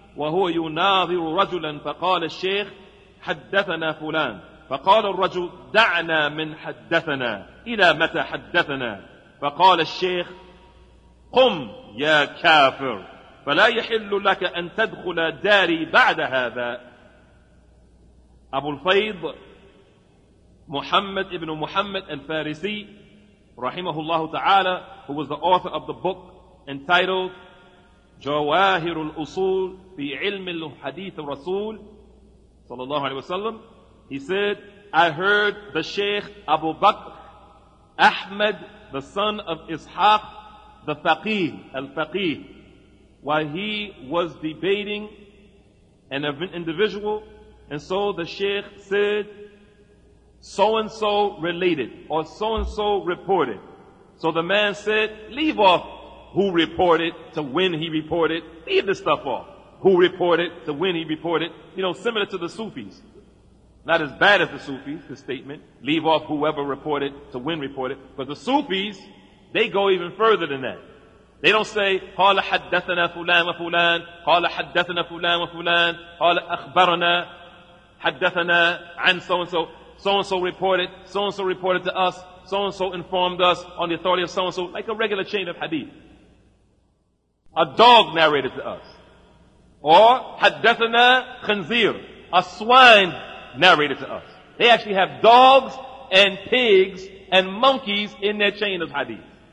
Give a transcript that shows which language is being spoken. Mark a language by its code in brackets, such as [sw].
[ar] وهو يناظر رجلا فقال الشيخ حدثنا فلان فقال الرجل دعنا من حدثنا إلى متى حدثنا فقال الشيخ قم يا كافر فلا يحل لك أن تدخل داري بعد هذا. أبو الفيض محمد ابن محمد الفارسي رحمه الله تعالى, [en] who was the author of the book entitled [ar] جواهر الأصول في علم الحديث الرسول صلى الله عليه وسلم, [en] he said, I heard the Shaykh Abu Bakr Ahmed, the son of Ishaq, the Faqih, Al-Faqih, while he was debating an individual, and so the Shaykh said, so-and-so related or so-and-so reported. So the man said, leave off who reported to when he reported. Leave this stuff off. Who reported to when he reported. You know, similar to the Sufis. Not as bad as the Sufis, the statement. Leave off whoever reported to when reported. But the Sufis, they go even further than that. They don't say, [ar] قَالَ حَدَّثَنَا فُلَانْ وَفُلَانْ قَالَ حَدَّثَنَا فُلَانْ وَفُلَانْ قَالَ أَخْبَرَنَا حَدَّثَنَا عَنْ [en] so-and-so. So-and-so reported, so-and-so reported to us, so-and-so informed us on the authority of so-and-so, like a regular chain of hadith. A dog narrated to us. Or, [ar] حَدَّثَنَا خَنْزِير, [en] a swine narrated to us. They actually have dogs and pigs and monkeys in their chain of hadith.